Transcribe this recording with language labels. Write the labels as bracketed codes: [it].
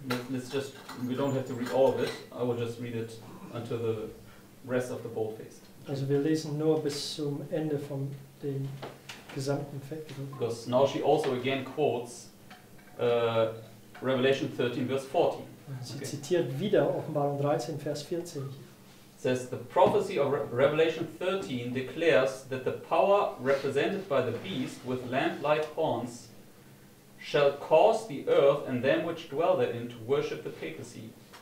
[en] Let's just, we don't have to read all of it. I will just read it until the rest of the boldface. [de] Also wir lesen nur bis zum Ende von dem gesamten Fettgedruckten. [en] Because now she also again quotes Revelation 13, verse 14. [de] Sie zitiert wieder Offenbarung 13, Vers 14. [en] Says the prophecy of Revelation 13 declares that the power represented by the beast with lamp-like horns shall cause the earth and them which dwell therein to worship the papacy.